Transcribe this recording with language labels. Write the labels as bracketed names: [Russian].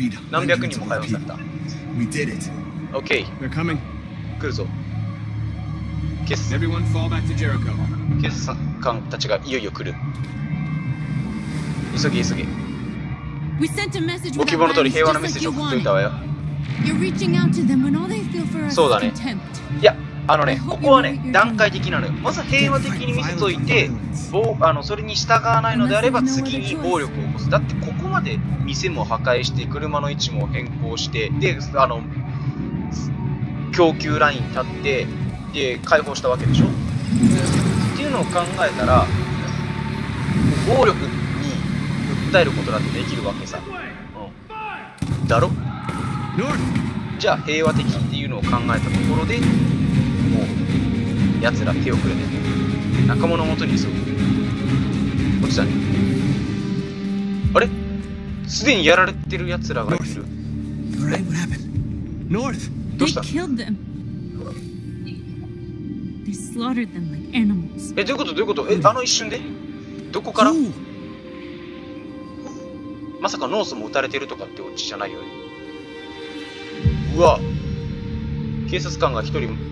[Japanese] 何百人も解放された。 [English] We did it. Okay. They're coming. [Japanese] 来るぞ。 [English] Kiss. Everyone fall back to Jericho. [Japanese] 警察官たちがいよいよ来る。急げ急げ。 [English] We sent a message. [Japanese] お希望の通り平和のメッセージを送っておいたわよ。 [English] You're reaching out to them when all they feel for us is contempt. [Japanese] いや。あのね、ここはね、段階的なのよ。まず平和的に見せといて、それに従わないのであれば次に暴力を起こす。だってここまで店も破壊して、車の位置も変更して、で、供給ライン立って、で、解放したわけでしょ？っていうのを考えたら、暴力に訴えることだってできるわけさ。だろ？じゃあ平和的っていうのを考えたところで、奴ら手をくれて仲間の元に急ぐ。落ちたね。あれ、すでにやられてる奴らがいる。 [English] North. You're right, what happened? North. [Japanese] どうした？ [English] They killed them. They slaughtered them like animals. [Japanese] え、どういうこと？どういうこと？え、あの一瞬で？どこから？ Ooh. まさかノースも撃たれてるとかって落ちじゃないよね。うわ、警察官が一人。